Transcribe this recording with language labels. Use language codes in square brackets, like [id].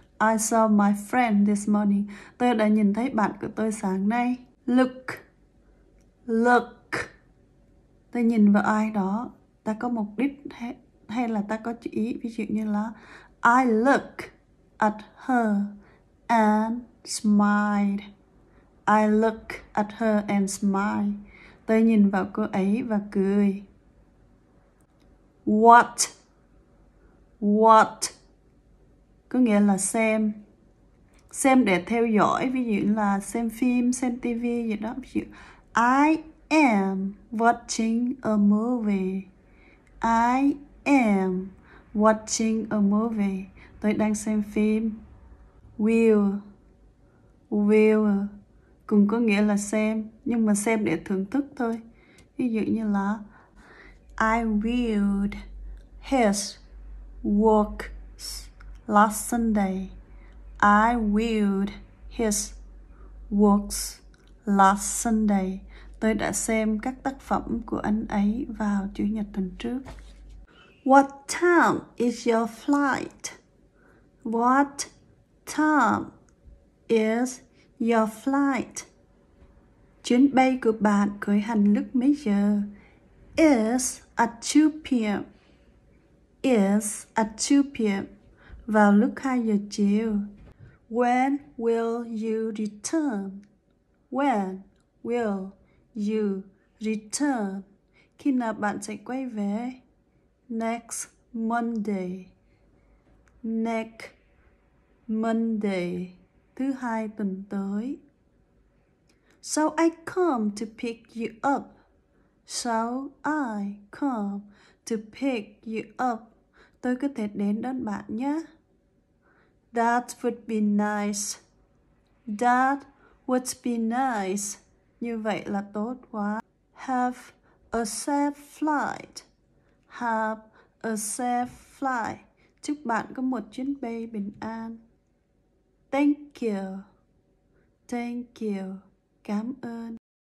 [en] I saw my friend this morning. [vi] Tôi đã nhìn thấy bạn của tôi sáng nay. [en] Look. Look. [vi] Tôi nhìn vào ai đó. Ta có mục đích hay là ta có chữ ý. Ví dụ như là [en] I look at her and smile. I look at her and smile. [vi] Tôi nhìn vào cô ấy và cười. [en] What? What? [vi] Có nghĩa là xem. Xem để theo dõi. Ví dụ là xem phim, xem tivi gì đó. Ví dụ, [en] I am watching a movie. I am watching a movie. [vi] Tôi đang xem phim. [en] Will. Will. [vi] Cũng có nghĩa là xem, nhưng mà xem để thưởng thức thôi. Ví dụ như là [en] I viewed his work last Sunday. I viewed his works last Sunday. [vi] Tôi đã xem các tác phẩm của anh ấy vào Chủ nhật tuần trước. [en] What time is your flight? What time is your flight? [vi] Chuyến bay của bạn khởi hành lúc mấy giờ? [en] Is at 2 p.m. Is at 2 p.m. [vi] Vào lúc 2 giờ chiều. [en] When will you return? When will you return? [vi] Khi nào bạn sẽ quay về? [en] Next Monday. Next Monday. [vi] Thứ hai tuần tới. [en] So I come to pick you up. So I come to pick you up. [vi] Tôi có thể đến đón bạn nhé. [en] That would be nice. That would be nice. [vi] Như vậy là tốt quá. [en] Have a safe flight. Have a safe flight. [vi] Chúc bạn có một chuyến bay bình an. [en] Thank you. Thank you. [vi] Cảm ơn.